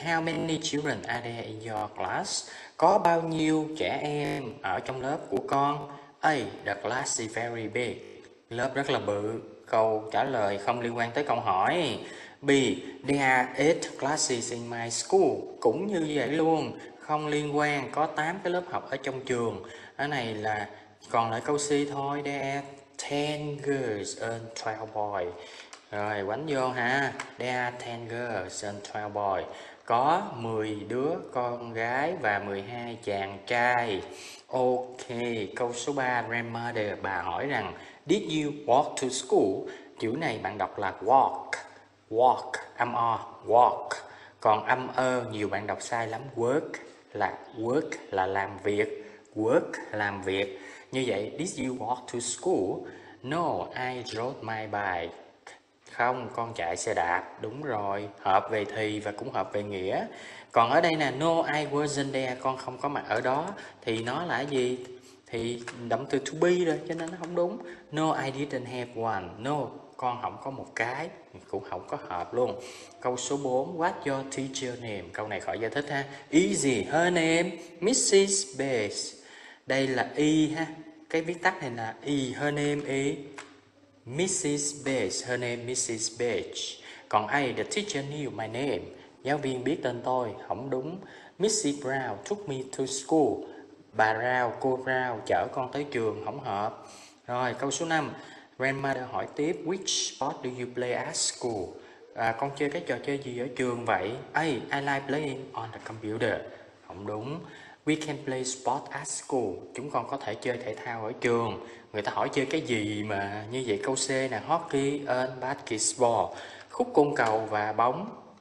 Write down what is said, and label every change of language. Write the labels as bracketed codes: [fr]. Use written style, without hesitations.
[en] How many children are there in your class? [vi] Có bao nhiêu trẻ em ở trong lớp của con? A. [en] The class is very big. [vi] Lớp rất là bự. Câu trả lời không liên quan tới câu hỏi. [en] B. There are 8 classes in my school. [vi] Cũng như vậy luôn. Không liên quan. Có 8 cái lớp học ở trong trường. Cái này là còn lại câu C thôi. [en] There are 10 girls and 12 boys. [vi] Rồi quánh vô ha. [en] There are 10 girls and 12 boys. [vi] Có 10 đứa con gái và 12 chàng trai. Ok. Câu số 3. Grandmother. Bà hỏi rằng [en] Did you walk to school? [vi] Chữ này bạn đọc là walk. Walk, âm o, walk. Còn âm ơ nhiều bạn đọc sai lắm. Work là làm việc. Work, làm việc. [en] Như vậy, did you walk to school? No, I rode my bike. [vi] Không, con chạy xe đạp. Đúng rồi, hợp về thì và cũng hợp về nghĩa. Còn ở đây nè, [en] no, I wasn't there. [vi] Con không có mặt ở đó. Thì nó là gì? Thì động từ to be rồi, cho nên nó không đúng. [en] No, I didn't have one. No, [vi] con không có một cái. Cũng không có hợp luôn. Câu số 4. [en] What's your teacher name? [vi] Câu này khỏi giải thích ha. [en] Easy. Her name, Mrs. Bass. [vi] Đây là E ha. Cái viết tắt này là E. [en] Her name E. Mrs. Bass. Her name, Mrs. Bass. Còn A. The teacher knew my name. [vi] Giáo viên biết tên tôi. Không đúng. Mrs. [en] Brown took me to school. [vi] Bà Rao, cô Rao chở con tới trường. Không hợp. Rồi câu số 5. [en] Grandmother [vi] hỏi tiếp, [en] which sport do you play at school? [vi] À, con chơi cái trò chơi gì ở trường vậy? [en] A. I like playing on the computer. [vi] Không đúng. [en] We can play sport at school. [vi] Chúng con có thể chơi thể thao ở trường. Người ta hỏi chơi cái gì mà như vậy? Câu C nè, hockey and basketball. Khúc côn cầu và bóng.